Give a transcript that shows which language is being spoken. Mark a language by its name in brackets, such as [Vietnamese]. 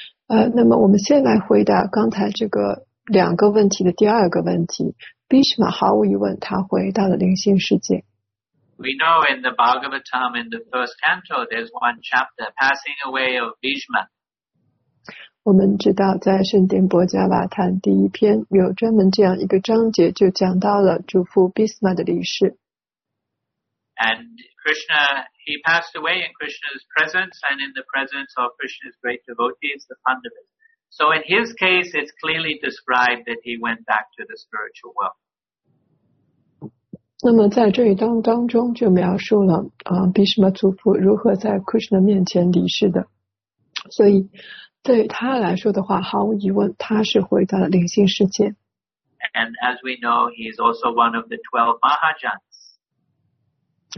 [Chinese] 那么我们先来回答刚才这个两个问题的第二个问题。 Bhishma 毫无疑问他回到了灵性世界。 [English] We know in the Bhagavatam in the first canto there's one chapter, Passing Away of Bhishma. [Chinese] 我们知道在圣殿波迦瓦坦第一篇有专门这样一个章节，就讲到了主父 Bhishma 的离世。 [English] And Krishna, he passed away in Krishna's presence and in the presence of Krishna's great devotees, the Pandavas. So in his case, it's clearly described that he went back to the spiritual world. [Chinese] 那么在这一段当中就描述了Bhishma 祖父如何在 Krishna 面前离世的。所以对他来说的话，毫无疑问他是回到了灵性世界。 [English] And as we know, he is also one of the 12 Mahajans.